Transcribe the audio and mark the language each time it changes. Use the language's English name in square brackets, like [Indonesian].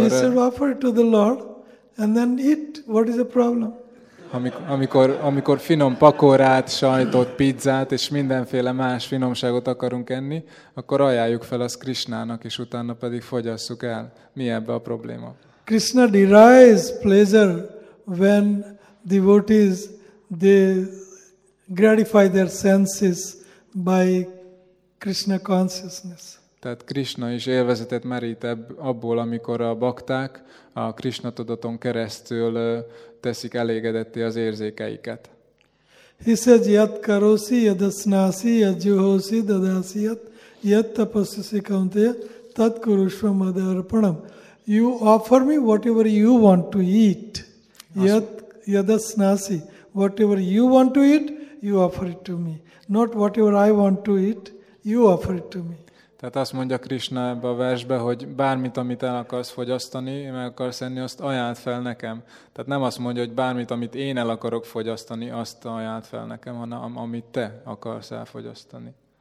[English] we should offer it to the Lord and then eat. What is the problem? [Hungarian] Amikor finom pakorát, sajtot, pizzát és mindenféle más finomságot akarunk enni, akkor ajánljuk fel azt Krishnának, és utána pedig fogyasszuk el. Mi ebbe a probléma? [English] Krishna derives pleasure when devotees they gratify their senses by Krishna consciousness. [Hungarian] Tehát Krishna is élvezetet merít abból, amikor a bakták a Krishna tudaton keresztül teszik elégedetté az érzékeiket. [Sanskrit] He says yat karosi yad asnasi yad juhosi dadasi yat tapasasi kaunteya tat kurushva madarpanam. [English] You offer me whatever you want to eat. [Sanskrit] Yad asnasi. [English] Whatever you want to eat, you offer it to me. Not whatever I want to eat, you offer it to me. [Hungarian] Tehát azt mondja Krishna ebbe a versbe, hogy bármit, amit el akarsz fogyasztani, meg akarsz enni, azt ajánld fel nekem. Tehát nem azt mondja, hogy bármit, amit én el akarok fogyasztani, azt ajánld fel nekem, hanem amit te akarsz elfogyasztani.